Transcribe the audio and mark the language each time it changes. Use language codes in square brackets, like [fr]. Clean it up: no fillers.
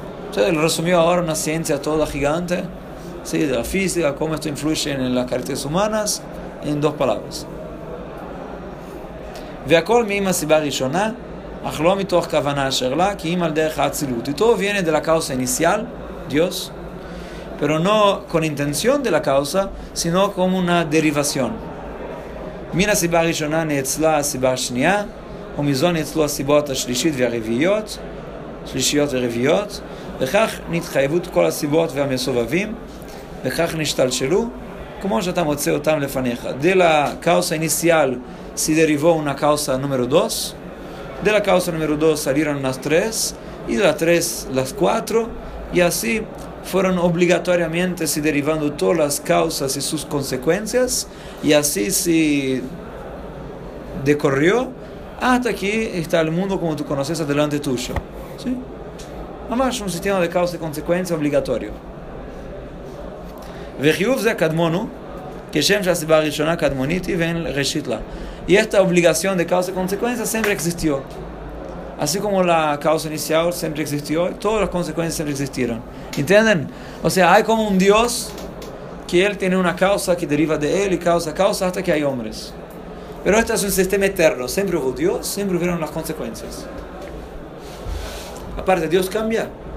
[es] Entonces lo resumió ahora una ciencia toda gigante, sí, de la física, cómo esto influye en las características humanas en dos palabras. [he] והכל מאימא סיבה ראשונה, אך לא מתוך כוונה אשר לה, כי אם על דרך האצילות. [es] Y todo viene de la causa inicial, Dios, pero no con intención de la causa, sino como una derivación. [he] מן הסיבה הראשונה נאצלה הסיבה השנייה, ומזו נאצלו הסיבות השלישית והרביעיות, שלישיות ורביעיות, וכך נתחייבות כל הסיבות והמסובבים, וכך נשתלשלו, כמו שאתה מוצא אותם לפניך. [es] De la causa inicial, si derivó una causa número 2, de la causa número 2 salieron las 3, y de las 3 las 4, y así fueron obligatoriamente si derivando todas las causas y sus consecuencias, y así si decorrió hasta aquí está el mundo como tú conoces adelante tuyo. ¿Sí? Además, un sistema de causa y consecuencia obligatorio. [he] וחיוב זה קדמונו, כשם שהסיבה הראשונה קדמונית היא ואין ראשית לה. [es] Y esta obligación de causa y consecuencia siempre existió. Así como la causa inicial siempre existió, todas las consecuencias siempre existieron. ¿Entienden? O sea, hay como un Dios que él tiene una causa que deriva de él y causa a causa hasta que hay hombres. Pero este es un sistema eterno. Siempre hubo Dios, siempre hubieron las consecuencias. Aparte, ¿Dios cambia?